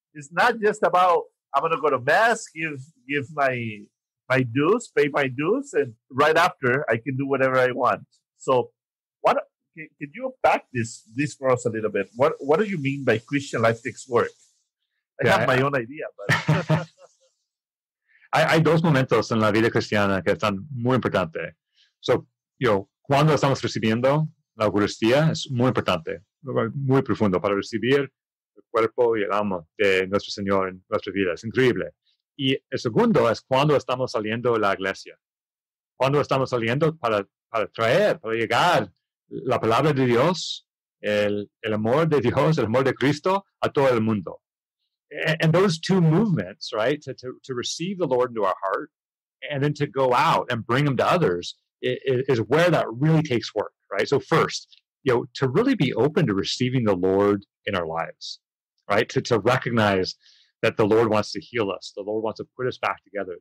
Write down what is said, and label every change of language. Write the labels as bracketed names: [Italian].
[English] It's not just about, I'm going to go to mass, give my dues, pay my dues, and right after, I can do whatever I want. So can you unpack this for us a little bit? What do you mean by Christian life takes work? I have my own idea, but... [Spanish] Hay dos momentos en la vida cristiana que están muy importantes. So, you know, cuando estamos recibiendo la Eucaristía, es muy importante, muy profundo para recibir el cuerpo y el alma de nuestro Señor en nuestra vida. Es increíble. Y el segundo es cuando estamos saliendo de la iglesia. Cuando estamos saliendo para traer, para llegar la palabra de Dios, el amor de Dios, el amor de Cristo a todo el mundo. [English] And those two movements, right, to receive the Lord into our heart and then to go out and bring him to others is where that really takes work, right? So first, you know, to really be open to receiving the Lord in our lives, right? To recognize that the Lord wants to heal us. The Lord wants to put us back together.